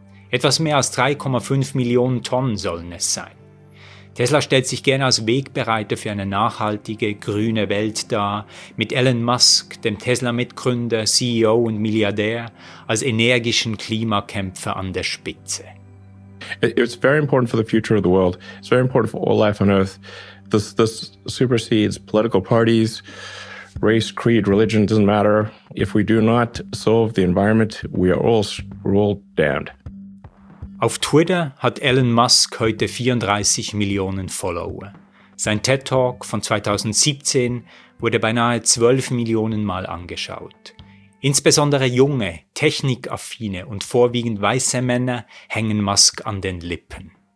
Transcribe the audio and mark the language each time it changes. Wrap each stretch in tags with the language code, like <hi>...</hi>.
<de>Etwas mehr als 3,5 Millionen Tonnen sollen es sein. Tesla stellt sich gerne als Wegbereiter für eine nachhaltige, grüne Welt dar, mit Elon Musk, dem Tesla-Mitgründer, CEO und Milliardär, als energischen Klimakämpfer an der Spitze.</de> <en>It's very important for the future of the world. It's very important for all life on Earth. This supersedes political parties, race, creed, religion, doesn't matter. If we do not solve the environment, we're all damned.</en> <de>Auf Twitter hat Elon Musk heute 34 Millionen Follower. Sein TED-Talk von 2017 wurde beinahe 12 Millionen Mal angeschaut. Insbesondere junge, technikaffine und vorwiegend weiße Männer hängen Musk an den Lippen.</de>